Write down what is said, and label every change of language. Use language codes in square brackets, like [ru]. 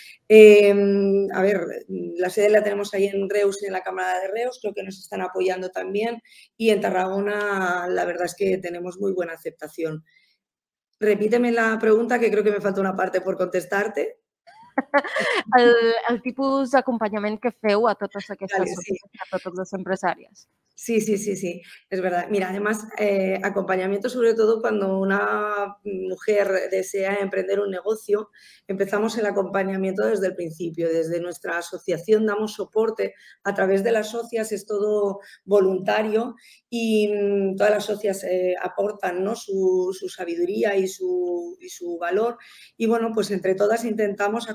[es] A ver, la sede la tenemos ahí en Reus, en la Cámara de Reus, creo que nos están apoyando también. Y en Tarragona la verdad es que tenemos muy buena aceptación. Repíteme la pregunta, que creo que me falta una parte por contestarte. [ca] El tipus d'acompanyament que feu a totes aquestes empresàries. [es] Sí, es verdad. Mira, además, acompañamiento sobre todo cuando una mujer desea emprender un negocio, empezamos el acompañamiento desde el principio. Desde nuestra asociación damos soporte a través de las socias, es todo voluntario y todas las socias aportan, ¿no?, su sabiduría y su valor. Y bueno, pues entre todas intentamos